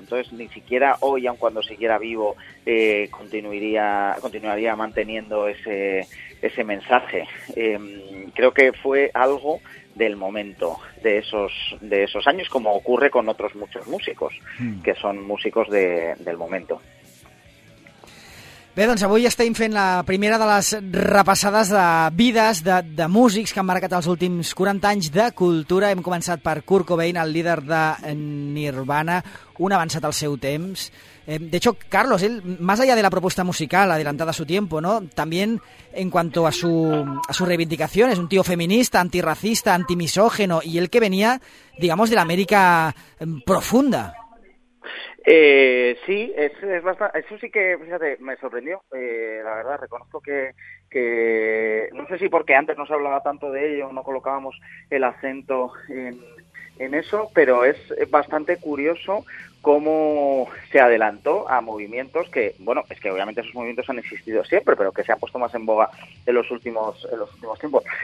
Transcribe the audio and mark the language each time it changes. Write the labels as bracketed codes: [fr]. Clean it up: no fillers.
[es] Entonces, ni siquiera hoy, aun cuando siguiera vivo, continuaría manteniendo ese mensaje. Creo que fue algo del momento, de esos años, como ocurre con otros muchos músicos, que son músicos del momento. [ca] Bé, doncs avui estem fent la primera de les repassades de vides de músics que han marcat els últims 40 anys de cultura. Hem començat per Kurt Cobain, el líder de Nirvana, un avançat al seu temps. [es] De hecho, Carlos, él, más allá de la propuesta musical adelantada a su tiempo, ¿no? También en cuanto a su reivindicación, es un tío feminista, antirracista, antimisógeno, y él que venía, digamos, de la América profunda. Sí, es bastante, eso sí que, fíjate, me sorprendió, la verdad, reconozco que no sé si porque antes no se hablaba tanto de ello, no colocábamos el acento en eso, pero es bastante curioso cómo se adelantó a movimientos que, bueno, es que obviamente esos movimientos han existido siempre, pero que se han puesto más en boga en los últimos tiempos.